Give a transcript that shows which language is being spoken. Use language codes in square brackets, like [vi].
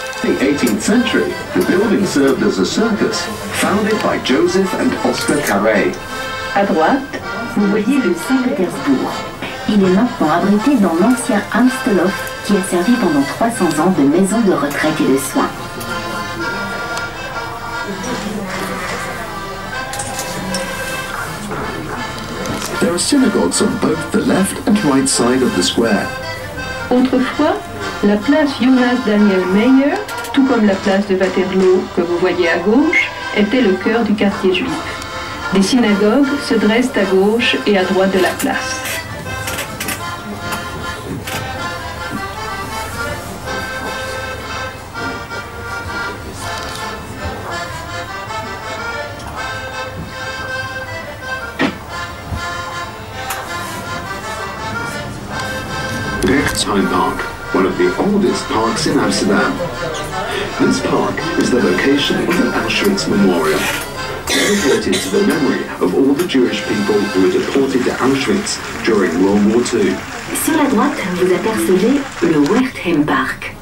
[en] In the 18th century, the building served as a circus, founded by Joseph and Oscar Carré. [fr] À droite, vous voyez le Saint-Pétersbourg. Il est maintenant abrité dans l'ancien Amstelhof, qui a servi pendant 300 ans de maison de retraite et de soins. [en] There are synagogues on both the left and right side of the square. [fr] Autrefois, la place Jonas Daniel Meyer, tout comme la place de Waterloo que vous voyez à gauche, était le cœur du quartier juif. Des synagogues se dressent à gauche et à droite de la place. Mmh. [en] Tuinpark, one of the oldest parks in Amsterdam. This park is the location of the Auschwitz Memorial, dedicated to the memory of all the Jewish people who were deported to Auschwitz during World War II. [fr] Sur la droite, vous apercevez le Wertheim Park.